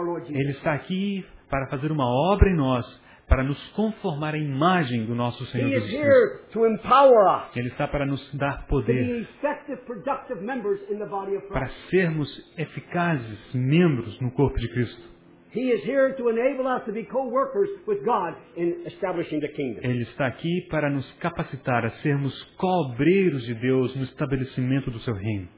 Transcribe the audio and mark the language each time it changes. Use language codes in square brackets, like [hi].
[pt] Ele está aqui para fazer uma obra em nós, para nos conformar à imagem do nosso Senhor Jesus Cristo. Ele está para nos dar poder, para sermos eficazes membros no corpo de Cristo. [en] He is here to enable us to be co-workers with God in establishing the kingdom. [pt] Ele está aqui para nos capacitar a sermos co-obreiros de Deus no estabelecimento do seu reino.